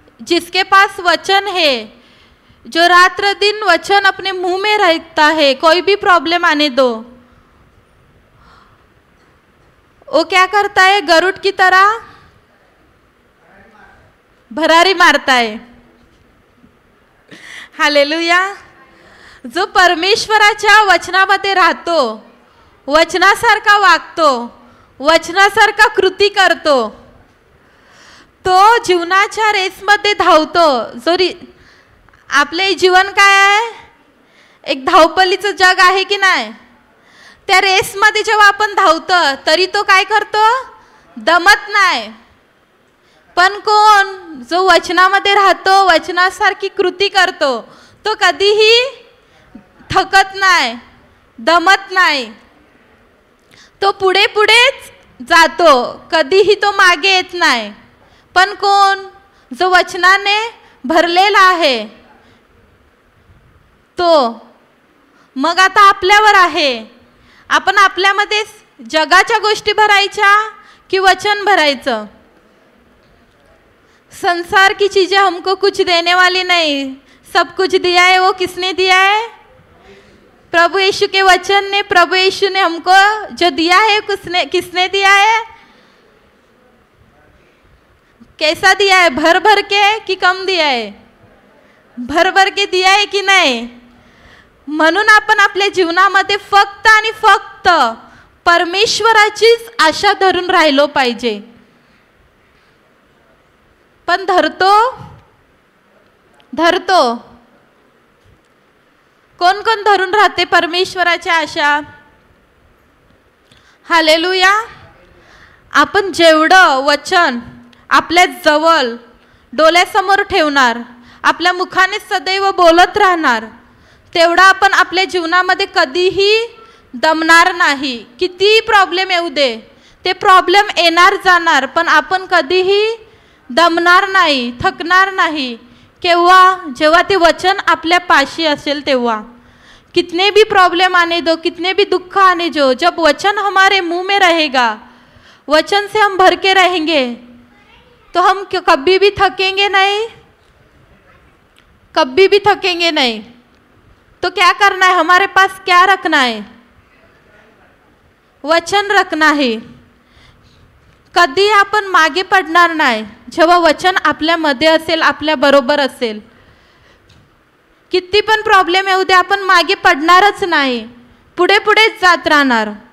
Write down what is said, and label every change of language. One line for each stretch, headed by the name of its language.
Hindi: जिसके पास वचन है, जो रात दिन वचन अपने मुंह में रहता है, कोई भी प्रॉब्लम आने दो, वो क्या करता है? गरुड की तरह भरारी मारता है। हालेलुया।
Marathi: जो परमेश्वराच्या वचनामध्ये राहतो, वचनासारखा वागतो, वचनासारखा कृती करतो, तो जीवनाच्या रेसमध्ये धावतो। जरी आपले जीवन काय आहे? एक धावपलीचं जग आहे की नाही? त्या रेसमध्ये जेव्हा आपण धावतो तरी तो काय करतो, दमत नाही. पण कोण जो वचनामध्ये राहतो, वचनासारखी कृती करतो, तो कधीही थकत नाही, दमत नाही, तो पुढे पुढेच जातो, कधीही तो मागे येत नाही. पण कोण जो वचनाने भरलेला आहे, तो मग आता आपल्यावर आहे. आपण आपल्यामध्ये जगाच्या गोष्टी भरायच्या की वचन भरायचं.
Hindi: संसार की चीजें हमको कुछ देने वाली नहीं, सब कुछ दिया है वो किसने दिया है? प्रभु यीशु के वचन ने, प्रभु यीशु ने हमको जो दिया है किसने किसने दिया है? कैसा दिया है, भर भर के कि कम दिया है? भर भर के दिया है कि नहीं?
Marathi: म्हणून आपण आपल्या जीवनामध्ये फक्त आणि फक्त परमेश्वराचीच आशा धरून राहिलो पाहिजे. पण धरतो धरतो कोण कोण धरून राहते परमेश्वराच्या आशा? हालेलुया. आपण जेवढं वचन आपल्या जवळ डोळ्यासमोर ठेवणार, आपल्या मुखाने सदैव बोलत राहणार, तेवढा आपण आपल्या जीवनामध्ये कधीही दमणार नाही. कितीही प्रॉब्लेम येऊ दे, ते प्रॉब्लेम येणार जाणार, पण आपण कधीही दमणार नाही, थकणार नाही. केव्हा? जेव्हा ते वचन आपल्या पाशी असेल तेव्हा.
Hindi: कितने भी प्रॉब्लेम आने दो, कितने भी दुःख आने जो, जब वचन हमारे मुँह में रहेगा, वचन से हम भर के रहेंगे, तो हम कभी भी थकेंगे नहीं, कभी भी थकेंगे नहीं. तो क्या करना है, हमारे पास क्या रखना है? वचन रखना है.
Marathi: कधी आपण मागे पडणार नाही जेव्हा वचन आपल्यामध्ये असेल, आपल्या बरोबर असेल. किती पण प्रॉब्लेम येऊ दे, आपण मागे पडणारच नाही, पुढे पुढेच जात राहणार.